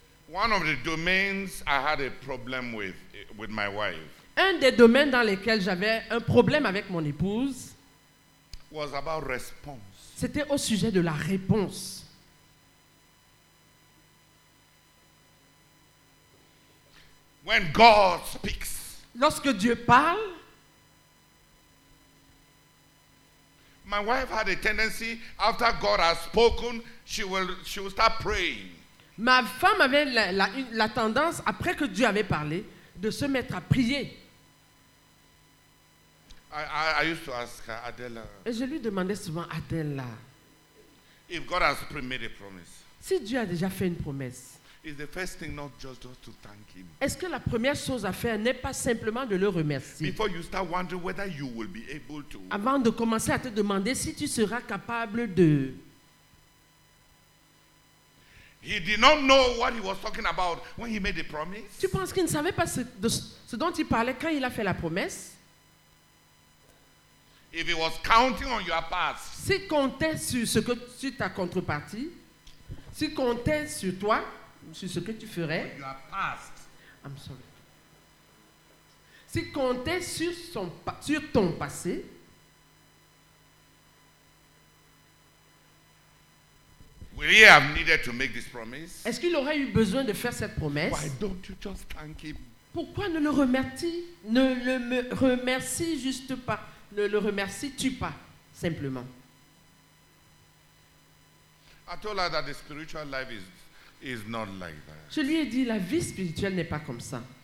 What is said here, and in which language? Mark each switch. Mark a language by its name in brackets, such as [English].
[English] One of the domains I had a problem with my wife. [French] Un des domaines dans lesquels j'avais un problème avec mon épouse. [English] Was about response. [French] C'était au sujet de la réponse. [English] When God speaks. [French] Lorsque Dieu parle. [English] My wife had a tendency after God has spoken, she will start praying. [French] Ma femme avait la tendance, après que Dieu avait parlé, de se mettre à prier. [English] I used to ask Adela, [French] et je lui demandais souvent, Adela, [English] if God has made a promise, [French] si Dieu a déjà fait une promesse, [English] is the first thing not just to thank him? [French] Est-ce que la première chose à faire n'est pas simplement de le remercier? [English] Before you start wondering whether you will be able to, [French] avant de commencer à te demander si tu seras capable de... [English] He did not know what he was talking about when he made the promise. [French] Tu penses qu'il ne savait pas ce dont il parlait quand il a fait la promesse? [English] If he was counting on your part. [French] S'il comptait sur ce que tu ta contrepartie, s'il comptait sur toi, sur ce que tu ferais. [English] Your past. I'm sorry. [French] S'il comptait sur ton passé. [English] Will he have needed to make this promise? [French] Est-ce qu'il aurait eu besoin de faire cette promesse? [English] Why don't you just thank him? [French] Pourquoi ne le remercie? Ne le remercie juste pas. Ne le remercies-tu pas simplement? [English] I told her that the spiritual life is not like that. [French] Je lui ai dit la vie spirituelle n'est pas comme ça.